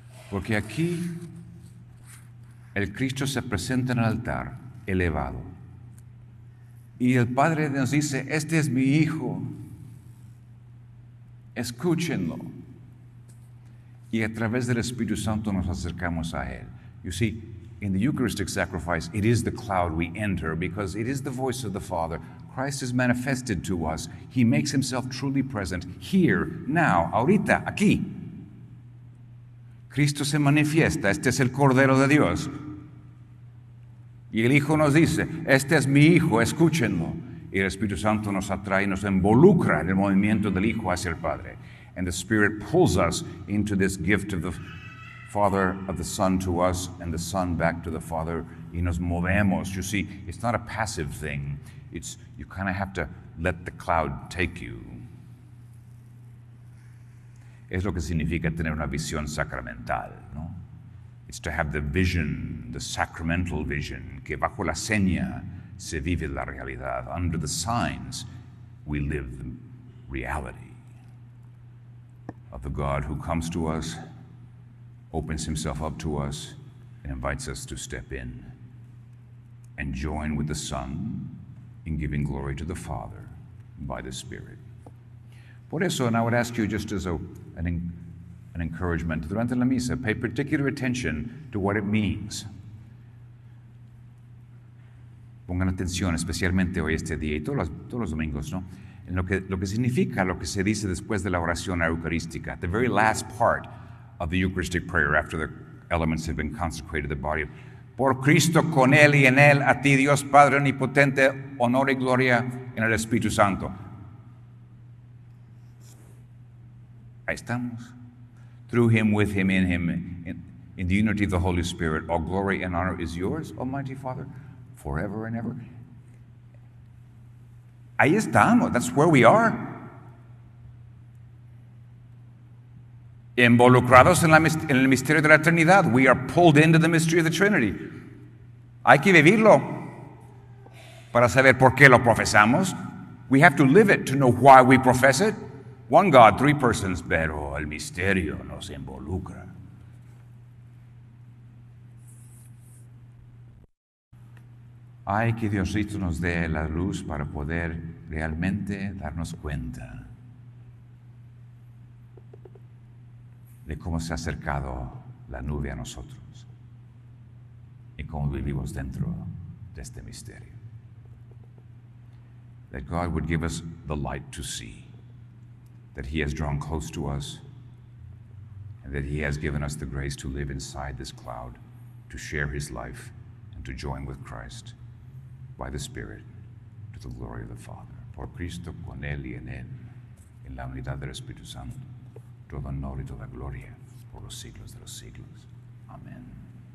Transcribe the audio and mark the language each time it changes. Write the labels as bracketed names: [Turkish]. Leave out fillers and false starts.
[Spanish] Porque aquí, el Cristo se presenta en el altar, elevado. Y el Padre nos dice, este es mi Hijo, escúchenlo. Y a través del Espíritu Santo nos acercamos a Él. [English] You see, in the Eucharistic sacrifice, it is the cloud we enter because it is the voice of the Father. Christ is manifested to us. He makes himself truly present here, now, [Spanish] ahorita, aquí. Cristo se manifiesta. Este es el Cordero de Dios. Y el Hijo nos dice, este es mi Hijo, escúchenlo. Y el Espíritu Santo nos atrae y nos involucra en el movimiento del Hijo hacia el Padre. [English] And the Spirit pulls us into this gift of the Father of the Son to us and the Son back to the Father, [Spanish] y nos movemos. [English] You see, it's not a passive thing. It's, you kind of have to let the cloud take you. [Spanish] Es lo que significa tener una visión sacramental, ¿no? [English] It's to have the vision, the sacramental vision, [Spanish] que bajo la seña se vive la realidad. [English] Under the signs, we live the reality of the God who comes to us, opens himself up to us and invites us to step in and join with the Son in giving glory to the Father by the Spirit. [Spanish] Por eso, [English] and I would ask you just as an encouragement, [Spanish] durante la misa, [English] pay particular attention to what it means. [Spanish] Pongan atención, especialmente hoy este día y todos los domingos, ¿no? En lo que significa lo que se dice después de la oración eucarística, [English] the very last part of the Eucharistic prayer after the elements have been consecrated, the body. [Spanish] Por Cristo, con él y en él, a ti Dios Padre omnipotente, honor y gloria en el Espíritu Santo. Ahí estamos. [English] Through him, with him, in him, in the unity of the Holy Spirit, all glory and honor is yours, Almighty Father, forever and ever. [Spanish] Ahí estamos. [English] That's where we are. [Spanish] Involucrados en el misterio de la Trinidad. [English] We are pulled into the mystery of the Trinity. [Spanish] Hay que vivirlo para saber por qué lo profesamos. [English] We have to live it to know why we profess it. One God, three persons, [Spanish] pero el misterio nos involucra. Hay que Diosito nos dé la luz para poder realmente darnos cuenta de cómo se ha acercado la nube a nosotros y cómo vivimos dentro de este misterio. [English] That God would give us the light to see. that he has drawn close to us, and that he has given us the grace to live inside this cloud, to share his life, and to join with Christ by the Spirit to the glory of the Father. [Spanish] Por Cristo con él y en él, en la unidad del Espíritu Santo, todo honor y toda gloria por los siglos de los siglos. Amen.